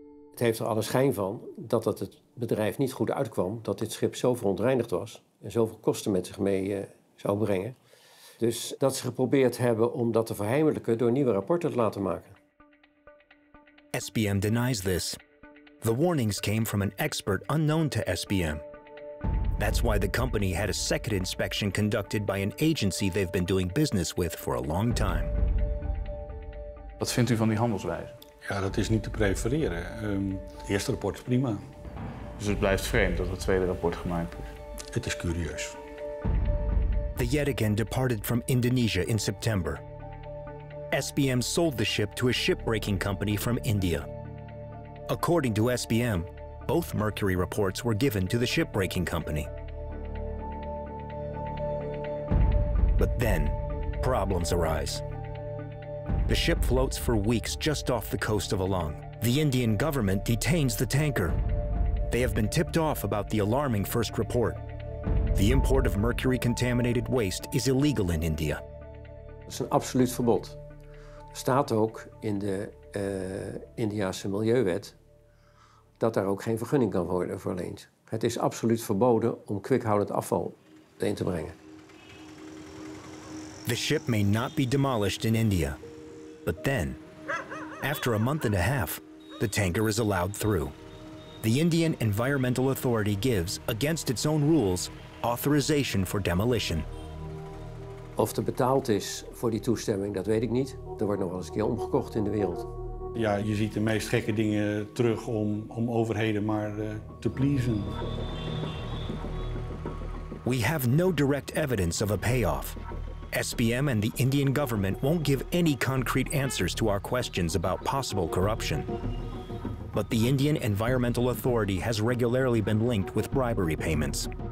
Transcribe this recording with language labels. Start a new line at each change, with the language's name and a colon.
Dutch: Het heeft er alle schijn van dat het bedrijf niet goed uitkwam, dat dit schip zo verontreinigd was en zoveel kosten met zich mee zou brengen. Dus dat ze geprobeerd hebben om dat te verheimelijken door nieuwe rapporten te laten maken.
English: SBM denies this. The warnings came from an expert unknown to SBM. That's why the company had a second inspection conducted by an agency they've been doing business with for a long time.
Dutch: Wat vindt u van die handelswijze? Ja, dat is niet te prefereren. Eerste rapport is prima. Dus het blijft vreemd dat het tweede rapport gemaakt is? Het is curieus.
English: The Yet Again departed from Indonesia in September. SBM sold the ship to a shipbreaking company from India. According to SBM, both mercury reports were given to the shipbreaking company. But then, problems arise. The ship floats for weeks just off the coast of Alang. The Indian government detains the tanker. They have been tipped off about the alarming first report. The import of mercury-contaminated waste is illegal in India. It's an absolute
Dutch: verbod. Staat ook in de Indiase Milieuwet dat daar ook geen vergunning kan worden verleend. Het is absoluut verboden om kwikhoudend afval in te brengen.
English: The ship may not be demolished in India. But then, after a month and a half, the tanker is allowed through. The Indian Environmental Authority gives, against its own rules, authorization for demolition.
Dutch: Of er betaald is voor die toestemming, dat weet ik niet. Er wordt nog wel eens een keer omgekocht in de wereld. Ja, je ziet de meest gekke dingen terug om overheden maar te pleasen.
English: We have no direct evidence of a payoff. SBM and the Indian government won't give any concrete answers to our questions about possible corruption. But the Indian Environmental Authority has regularly been linked with bribery payments.